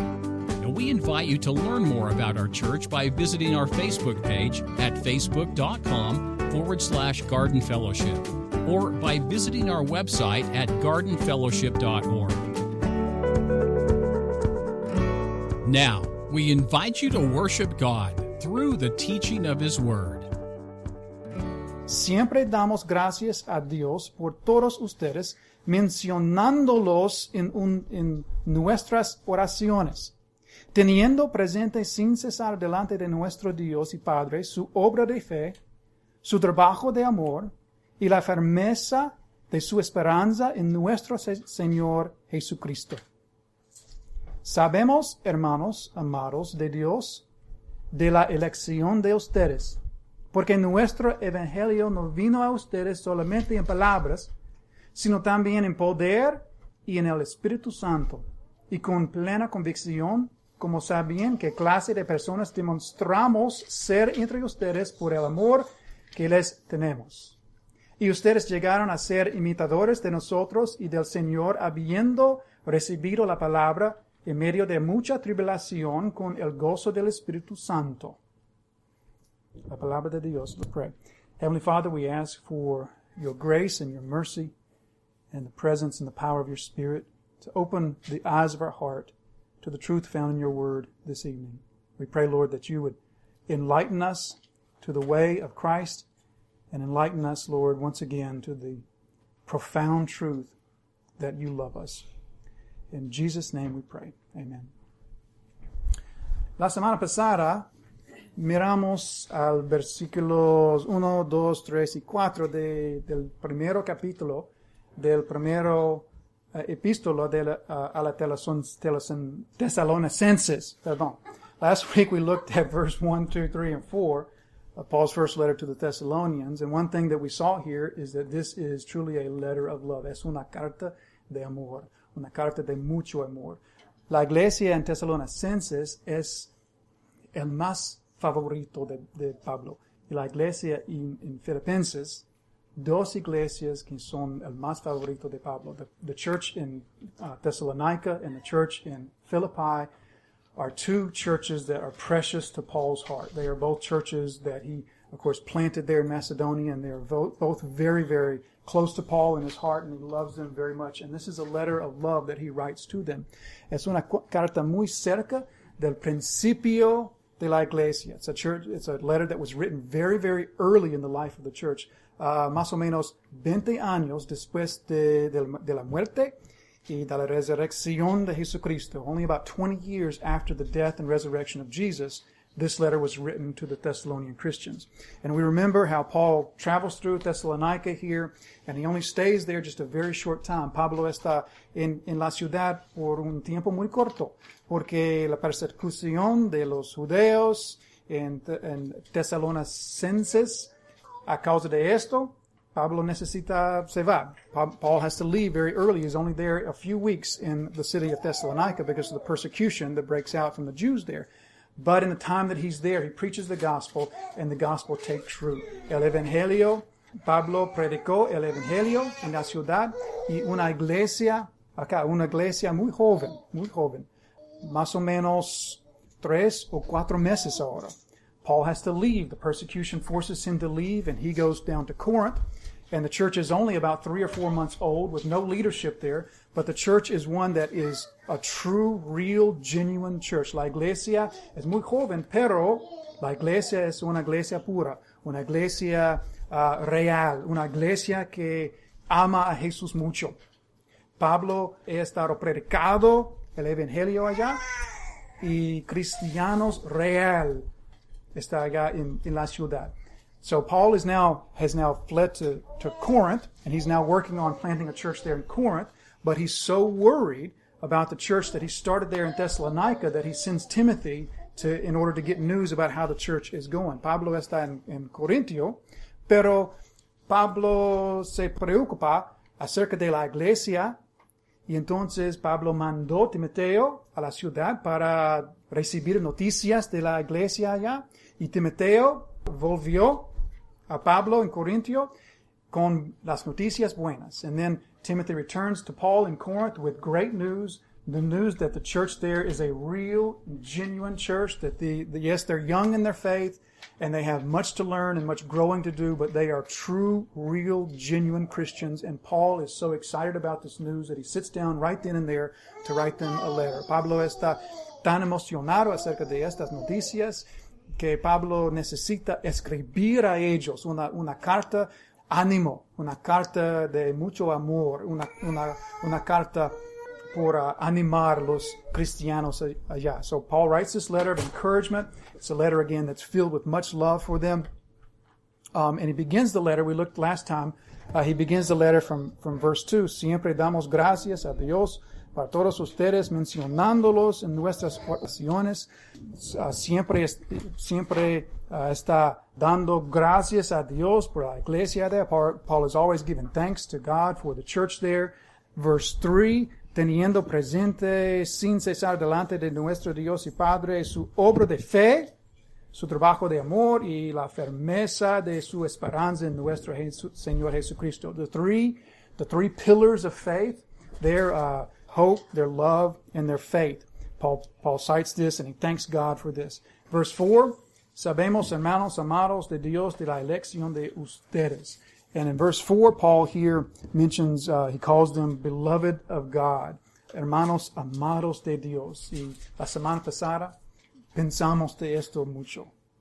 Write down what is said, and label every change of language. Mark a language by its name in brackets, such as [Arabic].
[English] And we invite you to learn more about our church by visiting our Facebook page at facebook.com/Garden Fellowship or by visiting our website at gardenfellowship.org. Now, we invite you to worship God through the teaching of His Word. [Spanish] Siempre damos gracias a Dios por todos ustedes, mencionándolos en nuestras oraciones. Teniendo presente sin cesar delante de nuestro Dios y Padre su obra de fe, su trabajo de amor y la firmeza de su esperanza en nuestro Señor Jesucristo. Sabemos, hermanos amados de Dios, de la elección de ustedes, porque nuestro Evangelio no vino a ustedes solamente en palabras, sino también en poder y en el Espíritu Santo, y con plena convicción, como saben qué clase de personas demostramos ser entre ustedes por el amor que les tenemos. Y ustedes llegaron a ser imitadores de nosotros y del Señor, habiendo recibido la palabra en medio de mucha tribulación con el gozo del Espíritu Santo. La palabra de Dios. [English] Let's pray. Heavenly Father, we ask for your grace and your mercy and the presence and the power of your Spirit to open the eyes of our heart to the truth found in your word this evening. We pray, Lord, that you would enlighten us to the way of Christ and enlighten us, Lord, once again to the profound truth that you love us. In Jesus' name we pray. Amen. [Spanish] La semana pasada, miramos al versículos 1, 2, 3 y 4 del primero capítulo, del primero epístolo a la Thessalonians. Perdón. [English] Last week we looked at verse 1, 2, 3, and 4, Paul's first letter to the Thessalonians. And one thing that we saw here is that this is truly a letter of love. [Spanish] Es una carta de amor. Una carta de mucho amor. La iglesia en Thessalonians es el más favorito de Pablo. Y la iglesia en Filipenses, dos iglesias que son el más favorito de Pablo. [English] The church in Thessalonica and the church in Philippi are two churches that are precious to Paul's heart. They are both churches that he, of course, planted there in Macedonia, and they are both very, very close to Paul in his heart, and he loves them very much. And this is a letter of love that he writes to them. [Spanish] Es una carta muy cerca del principio de la iglesia. [English] It's a church. It's a letter that was written very, very early in the life of the church, [Spanish] más o menos 20 años después de la muerte y de la resurrección de Jesucristo. [English] Only about 20 years after the death and resurrection of Jesus, this letter was written to the Thessalonian Christians. And we remember how Paul travels through Thessalonica here, and he only stays there just a very short time. [Spanish] Pablo está en la ciudad por un tiempo muy corto, porque la persecución de los judeos en Thessalonicenses, a causa de esto, Pablo necesita se va. [English] Paul has to leave very early. He's only there a few weeks in the city of Thessalonica because of the persecution that breaks out from the Jews there. But in the time that he's there, he preaches the gospel, and the gospel takes root. [Spanish] El Evangelio, Pablo predicó el Evangelio en la ciudad, y una iglesia, acá, una iglesia muy joven, más o menos 3 o 4 meses ahora. [English] Paul has to leave. The persecution forces him to leave, and he goes down to Corinth. And the church is only about 3 or 4 months old with no leadership there. But the church is one that is a true, real, genuine church. [Spanish] La iglesia es muy joven, pero la iglesia es una iglesia pura, una iglesia real, una iglesia que ama a Jesús mucho. Pablo ha estado predicado el evangelio allá y cristianos real está allá en la ciudad. [English] So Paul has now fled to Corinth, and he's now working on planting a church there in Corinth. But he's so worried about the church that he started there in Thessalonica that he sends Timothy in order to get news about how the church is going. [Spanish] Pablo está en Corintio, pero Pablo se preocupa acerca de la iglesia, y entonces Pablo mandó Timoteo a la ciudad para recibir noticias de la iglesia allá, y Timoteo volvió a Pablo en Corintio con las noticias buenas. [English] And then Timothy returns to Paul in Corinth with great news, the news that the church there is a real, genuine church, that yes, they're young in their faith, and they have much to learn and much growing to do, but they are true, real, genuine Christians. And Paul is so excited about this news that he sits down right then and there to write them a letter. [Spanish] Pablo está tan emocionado acerca de estas noticias que Pablo necesita escribir a ellos una carta ánimo, una carta de mucho amor, una carta por animar los cristianos allá. [English] So Paul writes this letter of encouragement. It's a letter, again, that's filled with much love for them. And he begins the letter. We looked last time. He begins the letter from verse 2. [Spanish] Siempre damos gracias a Dios para todos ustedes, mencionándolos en nuestras oraciones. Siempre está dando gracias a Dios por la iglesia [English] there. Paul is always giving thanks to God for the church there. Verse 3. [Spanish] Teniendo presente sin cesar delante de nuestro Dios y Padre su obra de fe, su trabajo de amor y la firmeza de su esperanza en nuestro Señor Jesucristo. [English] The three pillars of faith, their hope, their love, and their faith. Paul cites this and he thanks God for this. Verse 4, [Spanish] sabemos hermanos amados de Dios de la elección de ustedes. [English] And in verse 4, Paul here mentions, he calls them beloved of God. [Spanish] Hermanos amados de Dios. Y la semana pasada pensamos de esto mucho.